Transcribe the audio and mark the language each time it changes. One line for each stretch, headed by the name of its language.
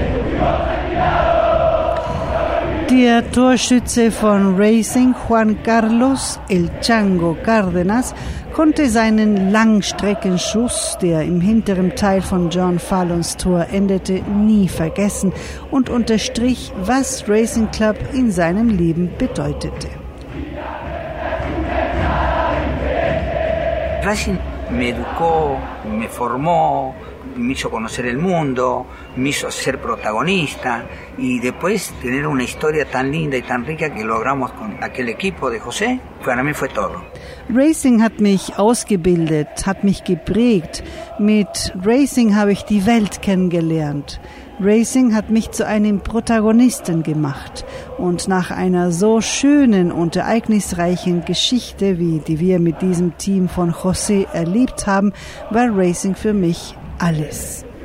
German: Der Torschütze von Racing, Juan Carlos El Chango Cárdenas, konnte seinen Langstreckenschuss, der im hinteren Teil von John Fallons Tor endete, nie vergessen und unterstrich, was Racing Club in seinem Leben bedeutete.
Spanish: Racing me educó, me formó, me hizo conocer el mundo, me hizo ser protagonista y después tener una historia tan linda y tan rica que logramos con aquel equipo de José, para mí fue todo.
German: Racing hat mich ausgebildet, hat mich geprägt. Mit Racing habe ich die Welt kennengelernt. Racing hat mich zu einem Protagonisten gemacht. Und nach einer so schönen und ereignisreichen Geschichte, wie die wir mit diesem Team von José erlebt haben, war Racing für mich alles.